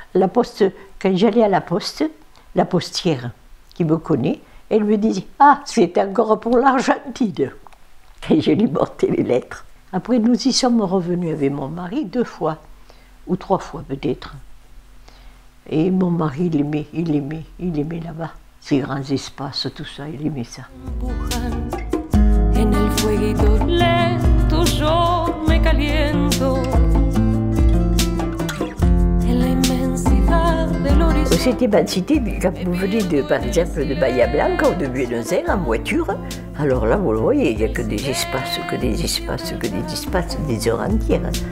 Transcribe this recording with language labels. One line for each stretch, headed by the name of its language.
French: La poste, quand j'allais à la poste, la postière qui me connaît, elle me disait « Ah, c'est encore pour l'Argentine !» Et je lui portais les lettres. Après, nous y sommes revenus avec mon mari deux fois. Ou trois fois peut-être. Et mon mari l'aimait là-bas. Ces grands espaces, tout ça, il aimait ça.
Spanish: En el fueguito lento yo me caliento. En la inmensidad del horizonte.
French: C'était ma cité, quand vous venez de, par exemple, de Bahia Blanca ou de Buenos Aires en voiture, alors là, vous le voyez, il n'y a que des espaces, que des espaces, que des espaces, des heures entières.